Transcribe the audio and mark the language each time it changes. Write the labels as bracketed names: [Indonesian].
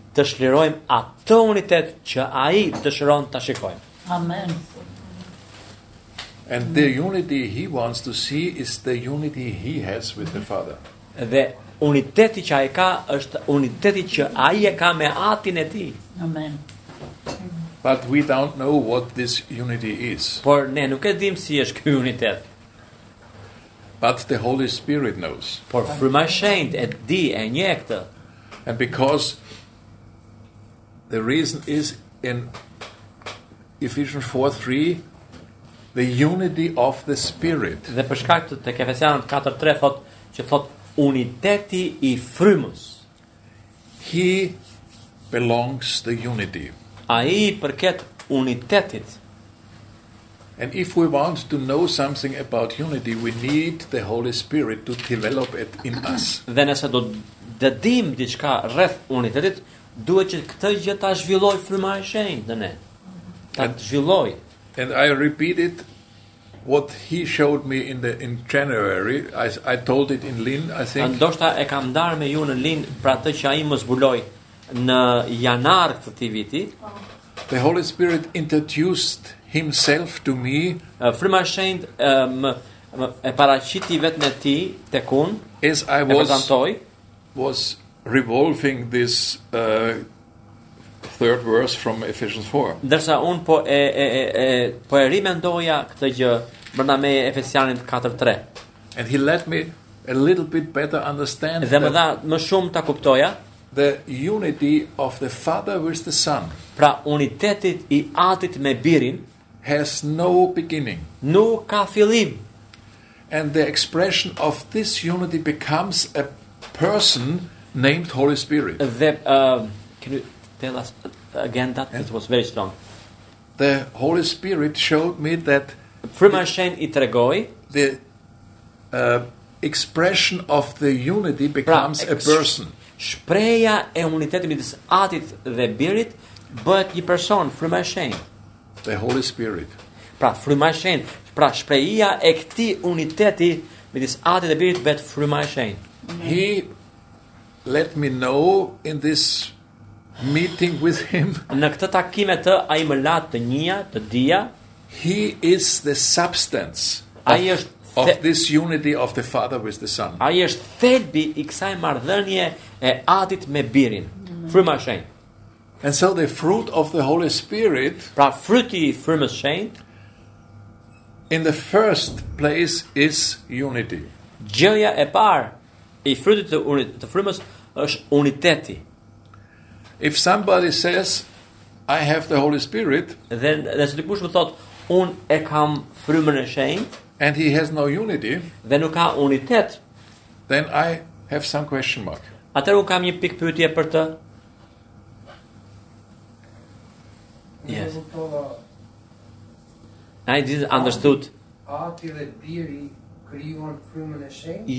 [Albanian] Të shlirojmë atë unitet që ai dëshiron ta shikojmë. Amen. [English] And the unity he wants to see is the unity he has with the Father. [Albanian] Dhe uniteti që ai ka është uniteti që ai e ka me Atin e Tij. Amen. [English] But we don't know what this unity is. [Albanian] Por ne nuk e dim si është ky unitet. [English] But the Holy Spirit knows. [Albanian] Por fryma e shenjtë e di e nje këtë. [English] And because the reason is in Ephesians 4:3, the unity of the Spirit. [Albanian] Dhe për shkak të tek Efesianët 4:3 thot që thot uniteti i frymës. [English] He belongs the unity. [Albanian] Ai përket unitetit. [English] And if we want to know something about unity, we need the Holy Spirit to develop it in us. [Albanian] Dhe nëse do të dim diçka rreth unitetit, duhet që këtë gjë ta zhvilloj fryma e shenjtë në ne. Ta zhvilloj. [English] And I repeat it what he showed me in January. I told it in Lin, I think. [Albanian] Ndoshta e kam ndarë me ju në Lin për atë që ai më zbuloi në janar këtë viti. [English] The Holy Spirit introduced himself to me. [Albanian] Fryma e shenjtë e paraqiti vetën e tij tek unë. [English] As I was revolving this third verse from Ephesians 4. [Albanian] Dersa un po e rimendoja këtë gjë brenda me Efesianit 4:3. [English] And he let me a little bit better understand. [Albanian] Dhe më dha më shumë ta kuptoja. [English] The unity of the Father with the Son. [Albanian] Pra unitetit i Atit me Birin [English] has no beginning. [Albanian] Nuk ka fillim. [English] And the expression of this unity becomes a person named Holy Spirit. Can you tell us again that? Yeah. It was very strong. The Holy Spirit showed me that the expression of the unity becomes a person. [Albanian] Shpreha e unitetit midis Atit dhe Birit bëhet një person, frymëshenj. [English] The Holy Spirit. [Albanian] Pra frymëshenj, pra shpreha e këtij uniteti midis Atit dhe Birit bëhet frymëshenj. [English] He let me know in this meeting with him. [Albanian] Në këtë takim me të, ai më la të njëja, të dija. [English] He is the substance. [Albanian] Ai është [English] of this unity of the Father with the Son. [Albanian] Ai është thelbi I kësaj marrëdhënie e Atit me Birin. Frymëshenj. [English] And so the fruit of the Holy Spirit. [Albanian] Pra fruti I frymëshenjtë. [English] In the first place is unity. [Albanian] Gjëja e parë I frutit të frymës është uniteti. [English] If somebody says I have the Holy Spirit, [Albanian] then nëse dikush më thot un e kam frymën e shenjtë, [English] and he has no unity, [Albanian] dhe nuk ka unitet, [English] then I have some question mark. [Albanian] Atëherë un kam një pikë pyetje për të. [English] Yes. I didn't understood. [Albanian] Ati dhe Biri krijuan frymën e shenjtë?